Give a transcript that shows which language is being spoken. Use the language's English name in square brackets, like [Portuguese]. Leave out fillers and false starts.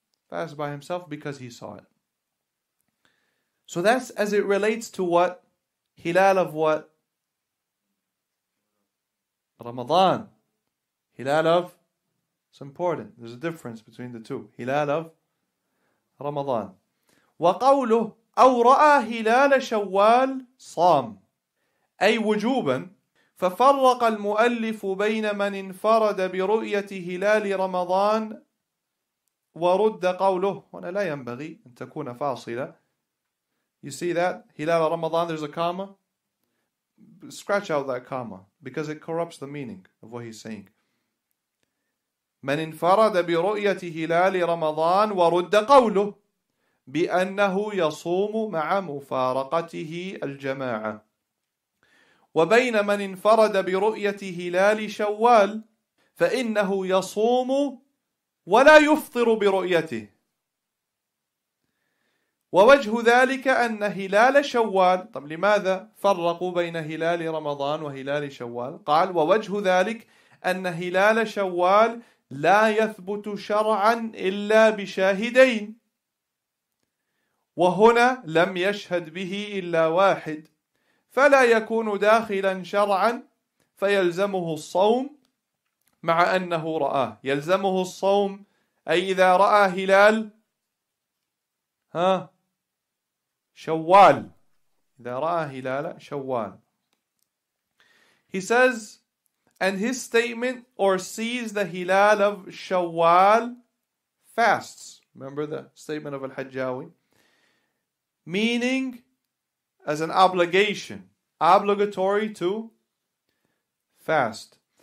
[English] Fast by himself because he saw it. So that's as it relates to what? Hilal of what? Ramadan. Hilal of? It's important. There's a difference between the two. Hilal of Ramadan. [Arabic] وقوله أو رأى هلال شوال صام أي وجوبا ففرق المؤلف بين من انفرد برؤية هلال رمضان ورد قوله هنا لا ينبغي أن تكون فاصلة. [English] You see that [Arabic] هلال رمضان, [English] there's a comma. Scratch out that comma because it corrupts the meaning of what he's saying. [Arabic] من انفرد برؤية هلال رمضان ورد قوله بأنه يصوم مع مفارقته الجماعة وبين من انفرد برؤية هلال شوال فإنه يصوم ولا يفطر برؤيته ووجه ذلك أن هلال شوال. طب لماذا فرقوا بين هلال رمضان وهلال شوال؟ قال ووجه ذلك أن هلال شوال لا يثبت شرعا إلا بشاهدين وهنا لم يشهد به إلا واحد فلا يكون داخلا شرعا فيلزمه الصوم مع أنه رآه. يلزمه الصوم أي إذا رأى هلال ها شوال. إذا رأى هلال شوال. [English] He says, and his statement or sees the hilal of Shawwal fasts. Remember the statement of Al-Hajjawi? Meaning as an obligation, obligatory to fast.